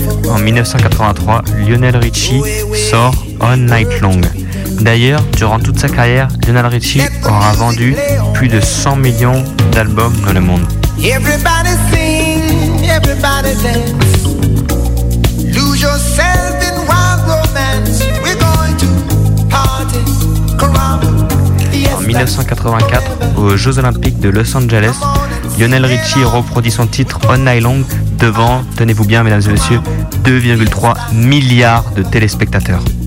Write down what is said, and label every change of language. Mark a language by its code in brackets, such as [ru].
[fr] en 1983, Lionel Richie sort All Night Long. D'ailleurs, durant toute sa carrière, Lionel Richie aura vendu plus de 100 millions d'albums dans le monde. [en] Everybody sing, everybody dance. Lose yourself in wild romance. We're going to party, caramba. [fr] En 1984, aux Jeux Olympiques de Los Angeles, Lionel Richie reproduit son titre All Night Long devant, tenez-vous bien mesdames et messieurs, 2,3 milliards de téléspectateurs.